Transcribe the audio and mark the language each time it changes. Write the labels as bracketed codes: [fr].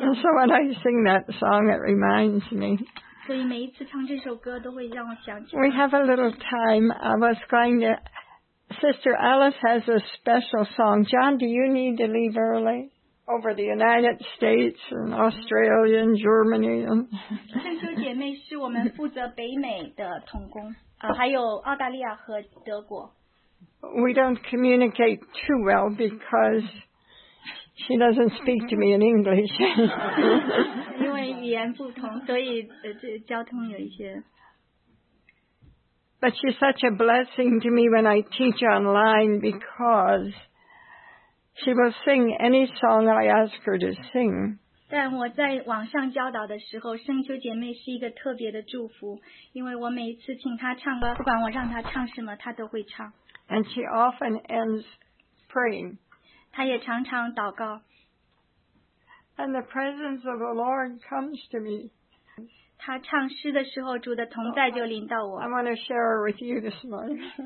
[en] So when I sing that song, it reminds me. [zh] 所以每一次唱这首歌都会让我想起。 [en] We have a little time. I was going to. Sister Alice has a special song. John, do you need to leave early? over the United States and Australia and Germany. [zh] 圣修姐妹是我们负责北美的同工，还有澳大利亚和德国。 [en] We don't communicate too well because she doesn't speak to me in English. [zh] 因为语言不同，所以交通有一些。 [en] But she's such a blessing to me when I teach online because she will sing any song I ask her to sing. [zh] 但我在网上教导的时候，圣秋姐妹是一个特别的祝福，因为我每一次请她唱歌，不管我让她唱什么，她都会唱。 [en] And she often ends praying. [zh] 她也常常祷告。 [en] And the presence of the Lord comes to me. [zh] 她唱诗的时候，主的同在就临到我。 [en] I want to share with you this morning.